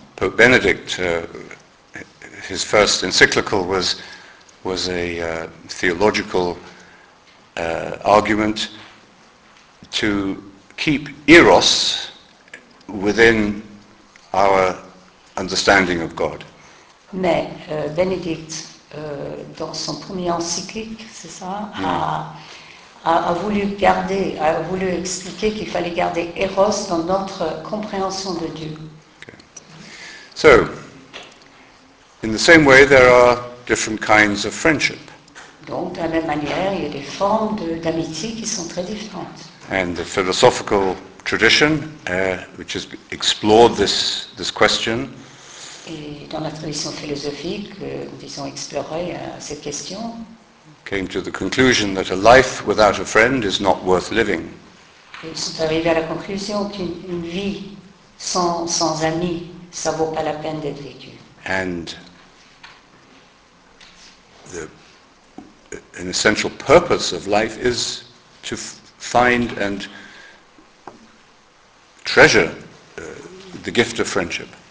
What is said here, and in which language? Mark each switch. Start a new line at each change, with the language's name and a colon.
English: Pope Benedict, his first encyclical was a theological argument to keep eros within our understanding of God.
French: Mais Benedict, dans son premier encyclique, c'est ça, a voulu expliquer qu'il fallait garder eros dans notre compréhension de Dieu.
English: So, in the same way, there are different kinds of friendship.
French: Donc, de la même manière, il y a des formes d'amitié qui sont très différentes.
English: And the philosophical tradition, which has explored this question.
French: Et dans la tradition philosophique, disons exploré cette question.
English: Came to the conclusion that a life without a friend is not worth living.
French: Ils sont arrivés à la conclusion qu'une vie sans amis. Ça vaut pas la peine d'être vécu.
English: And an essential purpose of life is to find and treasure the gift of friendship.